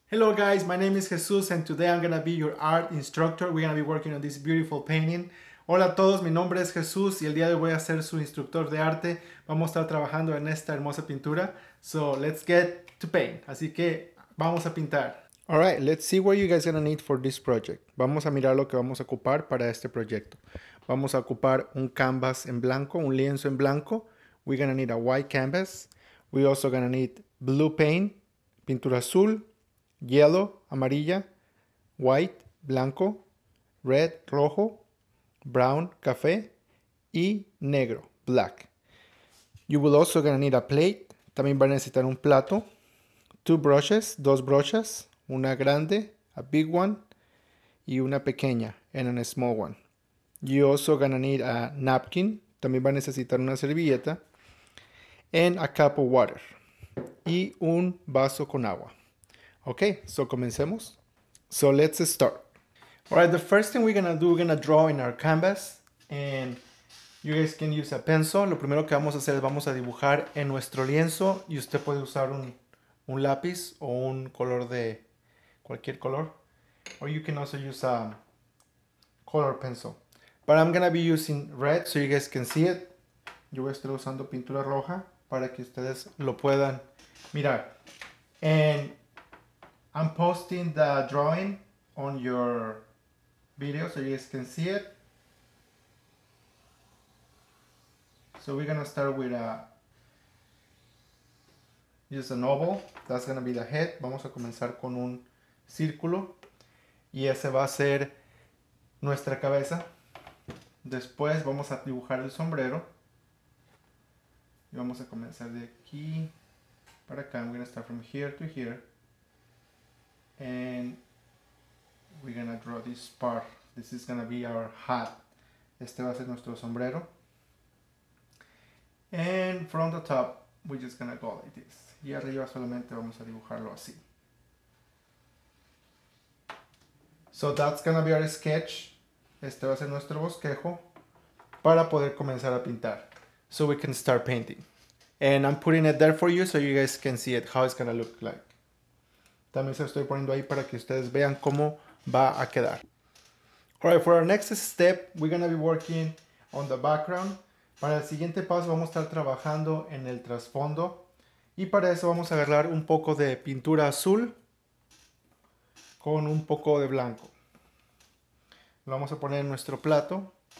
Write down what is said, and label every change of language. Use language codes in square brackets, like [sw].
[en] Hello guys, my name is Jesus and today I'm going to be your art instructor. We're going to be working on this beautiful painting. [es] Hola a todos, mi nombre es Jesús y el día de hoy voy a ser su instructor de arte. Vamos a estar trabajando en esta hermosa pintura. [en] So let's get to paint. [es] Así que vamos a pintar. [en] Alright, let's see what you guys are going to need for this project. [es] Vamos a mirar lo que vamos a ocupar para este proyecto. Vamos a ocupar un canvas en blanco, un lienzo en blanco. [en] We're going to need a white canvas. We're also going to need blue paint, [es] pintura azul, [en] yellow, amarilla, white, blanco, red, rojo, brown, café, [es] y negro, [en] black. You will also gonna need a plate. [es] También va a necesitar un plato. Dos brochas. Una grande, [en] a big one, [es] y una pequeña, [en] and a small one. You also gonna need a napkin. [es] También va a necesitar una servilleta. [en] And a cup of water. [es] Y un vaso con agua. [en] Okay, so comencemos. So let's start. All right, the first thing we're gonna do, we're gonna draw in our canvas. And you guys can use a pencil. [es] Lo primero que vamos a hacer es vamos a dibujar en nuestro lienzo. Y usted puede usar un lápiz o un color de cualquier color. [en] Or you can also use a color pencil. But I'm gonna be using red so you guys can see it. [es] Yo voy a estar usando pintura roja para que ustedes lo puedan mirar. [en] And I'm posting the drawing on your video so you guys can see it. So we're gonna start with just an oval. That's gonna be the head. [es] Vamos a comenzar con un círculo. Y ese va a ser nuestra cabeza. Después vamos a dibujar el sombrero. Y vamos a comenzar de aquí para acá. [en] I'm gonna start from here to here. And we're gonna draw this part. This is gonna be our hat. [es] Este va a ser nuestro sombrero. [en] And from the top, we're just gonna go like this. [es] Y arriba solamente vamos a dibujarlo así. [en] So that's gonna be our sketch. [es] Este va a ser nuestro bosquejo para poder comenzar a pintar. [en] So we can start painting. And I'm putting it there for you so you guys can see it, how it's gonna look like. [es] También se lo estoy poniendo ahí para que ustedes vean cómo va a quedar. Alright, for our next step, we're going to be working on the background. Para el siguiente paso, vamos a estar trabajando en el trasfondo. Y para eso vamos a agarrar un poco de pintura azul con un poco de blanco. Lo vamos a poner en nuestro plato.